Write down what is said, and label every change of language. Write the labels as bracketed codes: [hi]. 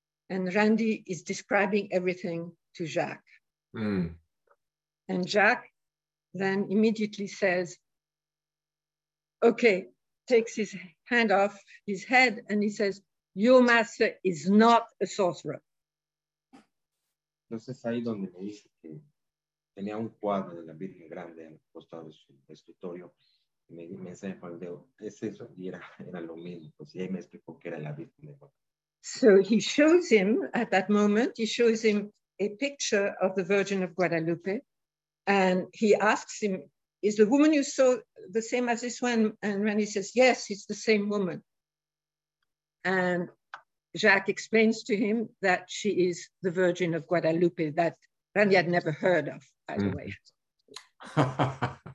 [en] And Randy is describing everything to Jacques. And Jacques then immediately says, okay, takes his hand off his head and he says, your master is not a sorcerer. [es] Entonces ahí donde me dice que tenía un cuadro de la Virgen Grande en el costado de su escritorio, me enseñó con el dedo, es eso, y era lo mismo. Pues ahí me explicó que era la Virgen de Guadalupe. [en] So he shows him at that moment, he shows him a picture of the Virgin of Guadalupe, and he asks him, is the woman you saw the same as this one? And Randy says, yes, it's the same woman. And Jacques explains to him that she is the Virgin of Guadalupe that Randy had never heard of, by the way.